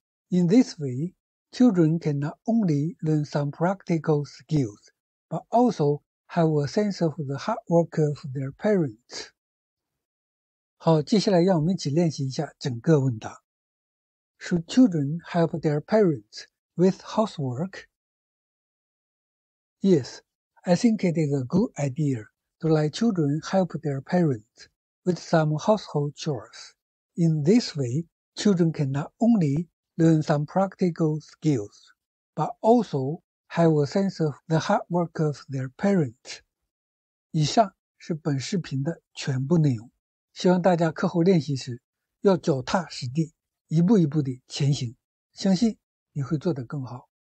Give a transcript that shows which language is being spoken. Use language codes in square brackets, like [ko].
[en] In this way, children can not only learn some practical skills, but also have a sense of the hard work of their parents. [zh] 好，接下来让我们一起练习一下整个问答。 [en] Should children help their parents with housework? Yes, I think it is a good idea to let children help their parents with some household chores. In this way, children can not only learn some practical skills, but also have a sense of the hard work of their parents. [zh] 以上是本视频的全部内容，希望大家课后练习时要脚踏实地，一步一步地前行，相信你会做得更好。